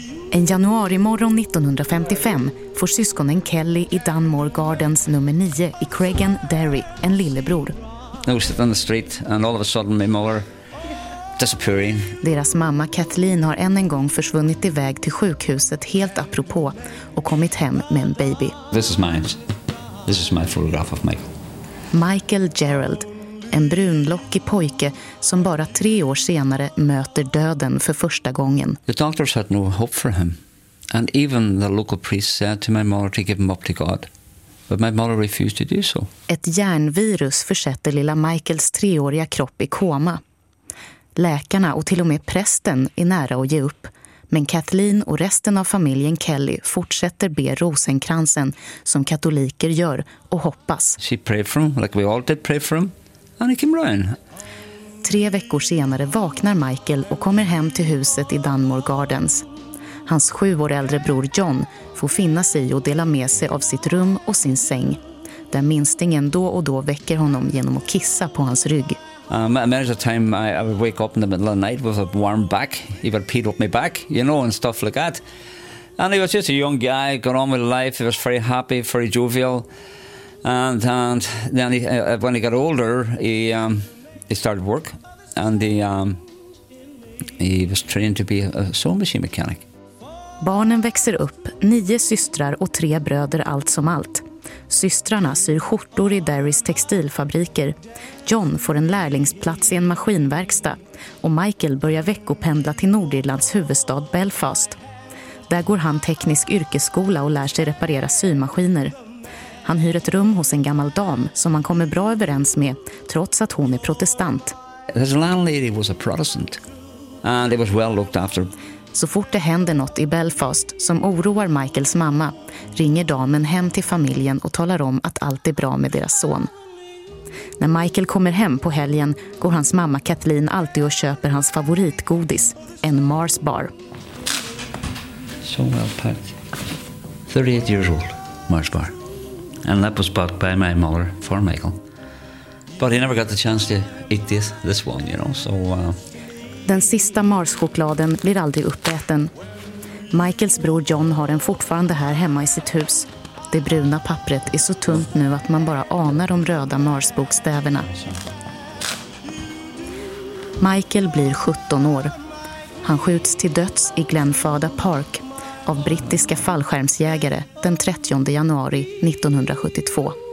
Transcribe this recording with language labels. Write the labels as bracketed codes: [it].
[sv] En januarimorgon 1955 får syskonen Kelly i Dunmore Gardens nummer 9 i Craigan, Derry, en lillebror. [en] I was sitting on the street and all of a sudden my mother disappearing. [sv] Deras mamma Kathleen har än en gång försvunnit iväg till sjukhuset helt apropå och kommit hem med en baby. [en] This is mine. This is my photograph of Michael. [sv] Michael Gerald, en brunlockig pojke som bara 3 år senare möter döden för första gången. [en] The doctors had no hope for him, and even the local priest said to my mother to give him up to God, but my mother refused to do so. [sv] Ett hjärnvirus försätter lilla Michaels 3-åriga kropp i koma. Läkarna och till och med prästen är nära att ge upp, men Kathleen och resten av familjen Kelly fortsätter be rosenkransen som katoliker gör och hoppas. [en] She prayed for him, like we all did pray for him. And he came running. [sv] 3 veckor senare vaknar Michael och kommer hem till huset i Dunmore Gardens. Hans 7 år äldre bror John får finna sig och dela med sig av sitt rum och sin säng. Där minstingen då och då väcker honom genom att kissa på hans rygg. [en] Many a time I would wake up in the middle of the night with a warm back. He would peed up my back, you know, and stuff like that. And he was just a young guy, got on with life. He was very happy, very jovial. And then when he got older, he started work, and he was trained to be a sewing machine mechanic. [sv] Barnen växer upp, 9 systrar och 3 bröder allt som allt. Systrarna syr skjortor i Derrys textilfabriker. John får en lärlingsplats i en maskinverkstad, och Michael börjar veckopendla till Nordirlands huvudstad Belfast. Där går han teknisk yrkesskola och lär sig reparera symaskiner. Han hyr ett rum hos en gammal dam som han kommer bra överens med, trots att hon är protestant. [en] His landlady was a Protestant, and it was well looked after. [sv] Så fort det händer något i Belfast som oroar Michaels mamma, ringer damen hem till familjen och talar om att allt är bra med deras son. När Michael kommer hem på helgen går hans mamma Kathleen alltid och köper hans favoritgodis, en Mars bar. [en] So well packed. 38 years old, Mars bar. And that was bought by my mother for Michael. But he never got the chance to eat this one, you know. [sv] Den sista Mars-chokladen blir aldrig uppäten. Michaels bror John har den fortfarande här hemma i sitt hus. Det bruna pappret är så tunt nu att man bara anar de röda Mars-bokstäverna. Michael blir 17 år. Han skjuts till döds i Glenfada Park av brittiska fallskärmsjägare den 30 januari 1972.